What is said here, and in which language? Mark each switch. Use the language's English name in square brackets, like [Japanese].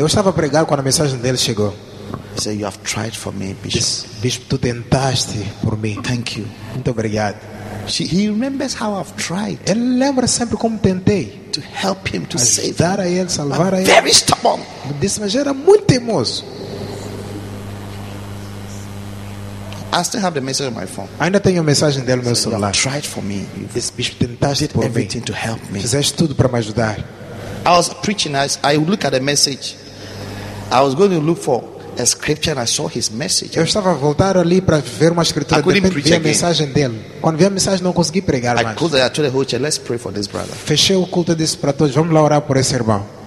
[Portuguese] Eu estava a pregar quando a mensagem dele chegou. [English] He said, "You have tried for me, Bishop. [Portuguese] Bispo, tu tentaste por mim. [English] Thank you. [Portuguese] Muito obrigado. [English] He remembers how I've tried. [Portuguese] Ele lembra sempre como tentei [English] to help him to save. [Portuguese] Dar a ele, salvar [English] I'm [Portuguese] a ele. [English] Very stubborn. [Portuguese] Disse, mas era muito teimoso. [English] I still have the message on my phone. [Portuguese] Ainda tenho a mensagem dele no meu celular. [English] You have tried for me. [Portuguese] This bispo tentaste por mim. [English] Did everything to help me. [Portuguese] Fizeste tudo para me ajudar. [English] I was preaching. I look at the message. I was going to look for." A scripture and I saw his message. [Portuguese] Eu estava a voltar ali para ver uma escritura. [English] I couldn't preach [Portuguese] a mensagem dele. Quando vi a mensagem não consegui pregar [English] mais. I told the whole church, let's pray for this brother. [Portuguese] Fechei o culto e disse para todos, vamos lá orar por esse irmão.